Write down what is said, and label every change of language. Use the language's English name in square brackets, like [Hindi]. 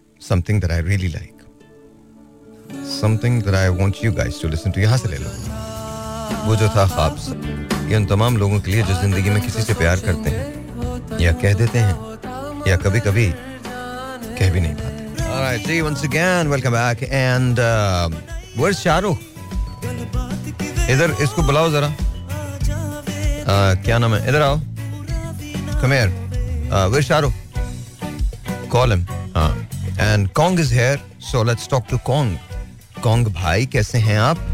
[English] Something that I really like. Something that I want you guys to listen to. [Hindi] यहां से ले लो. वो जो था ख्वाब सा. ये उन तमाम लोगों के लिए जो जिंदगी में किसी से प्यार करते हैं या कह देते हैं या कभी कभी कह भी नहीं पाते. [English] All right, see you once again. Welcome back. And where's Charu? [Hindi] इधर इसको बुलाओ जरा. क्या नाम है? इधर आओ. [English] Come here. Where's Charu? Call him. And Kong is here. So let's talk to Kong. Kong bhai, [Hindi] kaise hain aap?